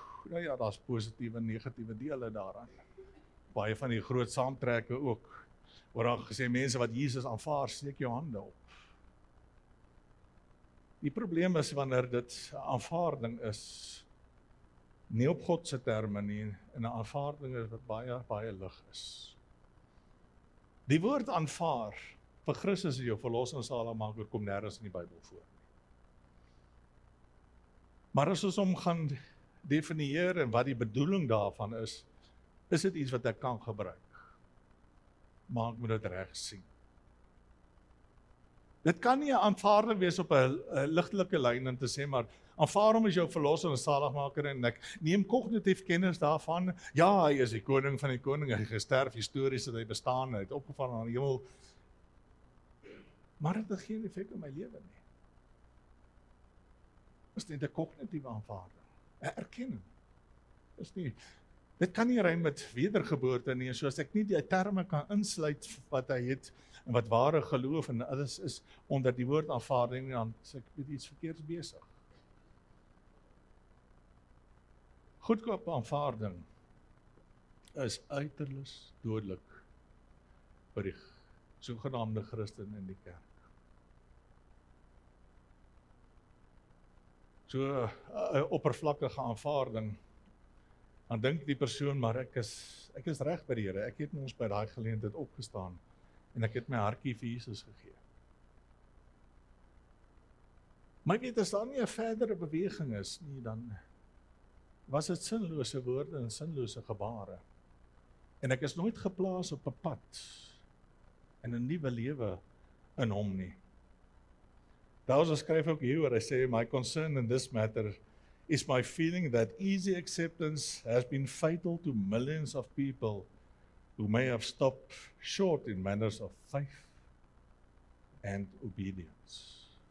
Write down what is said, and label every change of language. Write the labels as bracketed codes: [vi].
[af] Nou ja, daar is positieve en negatieve dele daaraan. Baie van die groot saamtrekke ook, waar dan gesê, mense wat Jesus aanvaar, steek jou hande op. Die probleem is, wanneer dit aanvaarding is, nie op Godse terme nie, en die aanvaarding is wat baie, baie lig is. Die woord aanvaar, vir Christus as jou verlossingssaligmaker kom nêrens in die Bybel voor. Maar as ons hom gaan definieer en wat die bedoeling daarvan is, is dit iets wat ek kan gebruik. Maar ek moet dit reg sien. Dit kan nie aanvaarding wees op 'n ligtelike lyn en te sê, maar aanvaar hom as jou verlosser en saligmaker en ek neem kognitief kennis daarvan. Ja, hy is die koning van die koning, hy gesterf, histories dat hy bestaan, hy het opgevaar na die hemel. Maar dit het geen effek op my lewe nie. Is dit 'n kognitiewe aanvaarding, 'n erkenning. Is nie, dit kan nie rym met wedergeboorte nie, so as ek nie die terme kan insluit wat hy het, en wat ware geloof en alles is onder die woord aanvaarding, dan is ek met iets verkeerds besig. Goedkoop aanvaarding is uiterlis dodelik vir die sogenaamde Christen in die kerk. So, oppervlakkige aanvaarding, dan dink die persoon, maar ek is reg by die Here. Ek het ons by daai geleentheid opgestaan en ek het my hartjie vir Jesus gegee. Maar weet, as daar nie 'n verdere beweging is nie, dan was dit sinlose woorde en sinlose gebare. En ek is nooit geplaas op 'n pad in 'n nuwe lewe in hom nie. Douze skryf ook hier waar hy sê, [en] my concern in this matter is my feeling that easy acceptance has been fatal to millions of people who may have stopped short in matters of faith and obedience.